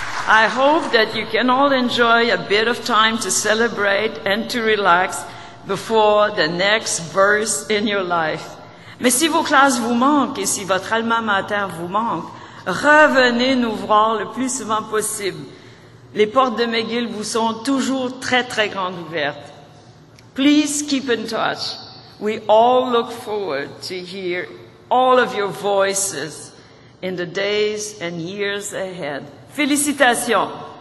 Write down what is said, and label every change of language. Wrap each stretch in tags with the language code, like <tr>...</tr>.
<en>I hope that you can all enjoy a bit of time to celebrate and to relax before the next verse in your life.</en> <fr>Mais si vos classes vous manquent et si votre alma mater vous manque, revenez nous voir le plus souvent possible. Les portes de McGill vous sont toujours très, très grandes ouvertes.</fr> <en>Please keep in touch. We all look forward to hear all of your voices in the days and years ahead.</en> <fr>Félicitations!</fr>